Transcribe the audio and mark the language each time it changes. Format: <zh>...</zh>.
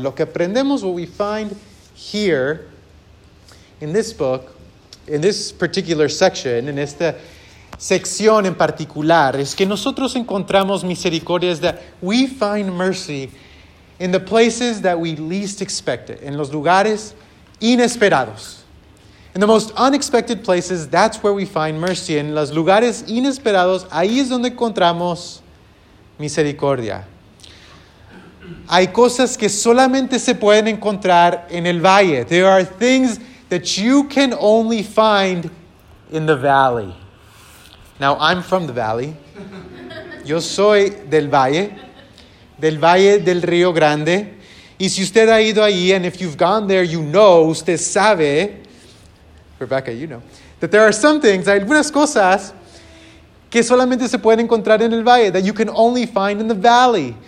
<es>Lo que aprendemos,</es> <en>what we find here in this book, in this particular section, in</en> <es>esta sección en particular, es que nosotros encontramos misericordia,</es> <en>is that we find mercy in the places that we least expect it,</en> <es>en los lugares inesperados.</es> <en>In the most unexpected places, that's where we find mercy.</en> <es>En los lugares inesperados, ahí es donde encontramos misericordia. Hay cosas que solamente se pueden encontrar en el valle.</es> <en>There are things that you can only find in the valley. Now, I'm from the valley.</en> <es>Yo soy del valle del Río Grande. Y si usted ha ido ahí,</es> <en>and if you've gone there, you know,</en> <es>usted sabe,</es> <en>Rebecca, you know, that there are some things,</en> <es>hay algunas cosas que solamente se pueden encontrar en el valle,</es> <en>that you can only find in the valley.</en>